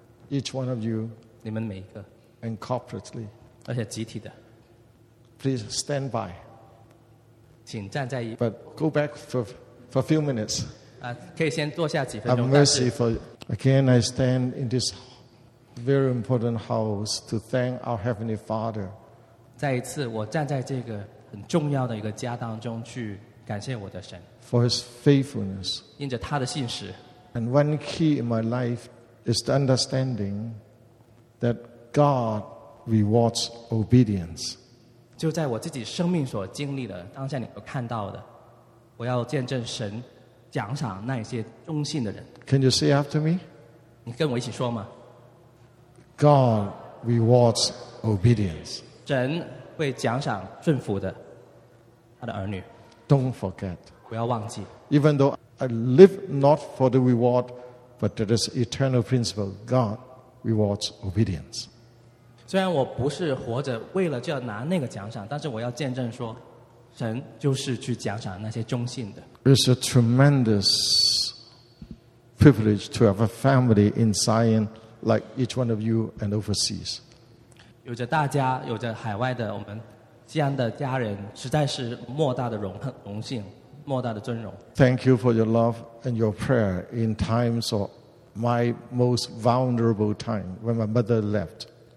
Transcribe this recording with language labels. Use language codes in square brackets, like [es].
[en] Each one of you, and corporately, please stand by. But go back for a few minutes. [zh] 可以先坐下几分 [en] 钟。I'm mercy for again. I stand in this very important house to thank our heavenly Father. [zh] 再一次，我站在这个很重要的一个家当中去感谢我的神。 [en] For His faithfulness. [zh] 因着他的信实。 [en] And one key in my life is the understanding that God rewards obedience. [zh] 就在我自己生命所经历的当下，你所看到的，我要见证神奖赏那些忠信的人。 [en] Can you say after me? [zh] 你跟我一起说吗 [en] ？God rewards obedience. [zh] 神会奖赏顺服的他的儿女。 [en] Don't forget. [zh] 不要忘记。 [en] Even though I live not for the reward, but there is eternal principle. God rewards obedience. [zh] 虽然我不是活着为了就要拿那个奖赏，但是我要见证说，神就是去奖赏那些忠信的。 [en] It's a tremendous privilege to have a family in Zion like each one of you and overseas. [zh] 有着大家，有着海外的我们西安的家人，实在是莫大的荣幸，莫大的尊荣。 [en] Thank you for your love and your prayer in times of my most vulnerable time when my mother left.